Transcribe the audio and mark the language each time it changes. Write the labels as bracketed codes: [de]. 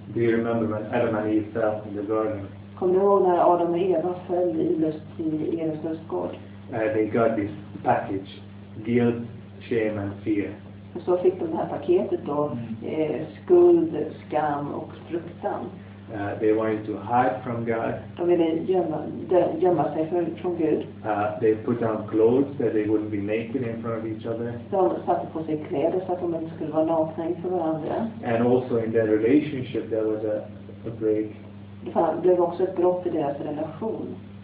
[en] Do you remember when Adam and Eve fell in the garden? [sv] Kommer du ihåg när Adam och Eva föll i Edens lustgård? [en] They got this package, guilt, shame and fear. [sv] Och så fick de det här paketet då, skuld, skam och fruktan. [en] They wanted to hide from God. [sv] De ville gömma sig från Gud. [en] They put on clothes that they wouldn't be naked in front of each other. [sv] De satte på sig kläder så att de inte skulle vara nakna inför varandra. [en] And also in their relationship there was a break. [sv] Det blev också ett brott i deras relation.